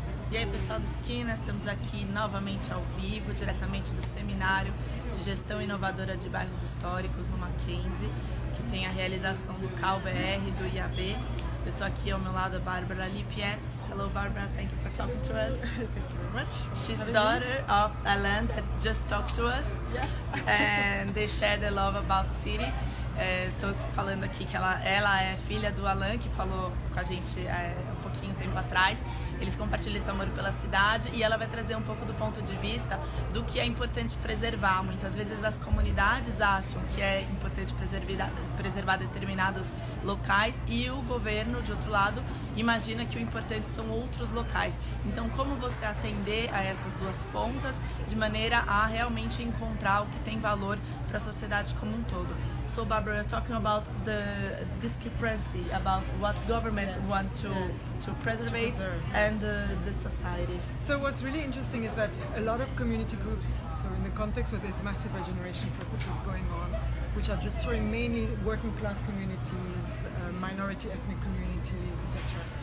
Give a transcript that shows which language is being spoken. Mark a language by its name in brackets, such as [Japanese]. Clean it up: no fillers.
[Portuguese] E aí, pessoal do Esquina, estamos aqui novamente ao vivo, diretamente do Seminário de Gestão Inovadora de Bairros Históricos, no Mackenzie, que tem a realização do CalBR do IAB. Eu estou aqui ao meu lado, a Barbara Lipietz. [English] Hello, Barbara, thank you for talking to us. Thank you very much. She's the daughter of Alan that just talked to us. Yes. And they share the love about city. [Portuguese] Estou falando aqui que ela é filha do Alan, que falou com a gente um pouquinho tempo atrás. Eles compartilham esse amor pela cidade e ela vai trazer um pouco do ponto de vista do que é importante preservar. Muitas vezes as comunidades acham que é importante preservar determinados locais e o governo, de outro lado, imagina que o importante são outros locais. Então, como você atender a essas duas pontas de maneira a realmente encontrar o que tem valor para a sociedade como um todo? [English] So, Barbara, you're talking about the discrepancy about what government wants to preserve. And the society. So what's really interesting is that a lot of community groups, so in the context of this massive regeneration processes going on, which are destroying mainly working class communities, minority ethnic communities, etc.